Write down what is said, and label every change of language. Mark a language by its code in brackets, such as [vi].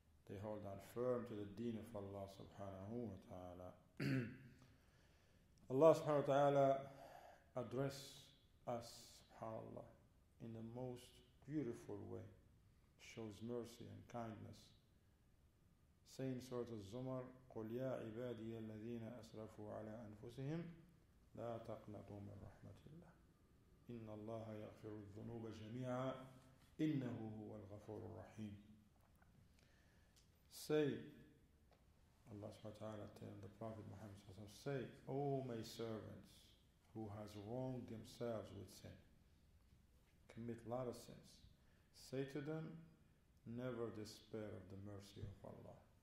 [en] They hold on firm to the deen of Allah subhanahu wa ta'ala. Allah subhanahu wa ta'ala address us, subhanAllah, in the most beautiful way. Shows mercy and kindness. Saying Surah Al-Zumar, [ar] قُلْ يَا عِبَادِيَ الَّذِينَ أَسْرَفُوا عَلَىٰ أَنفُسِهِمْ لَا تَقْنَطُوا مِنْ رَحْمَةِ اللَّهِ إن الله يغفر الذنوب جميعا إنه هو الغفور الرحيم. [en] Say, Allah subhanahu wa ta'ala telling the Prophet Muhammad sallallahu alaihi wasallam, say, O my servants who has wronged themselves with sin, commit a lot of sins, say to them, never despair of the mercy of Allah.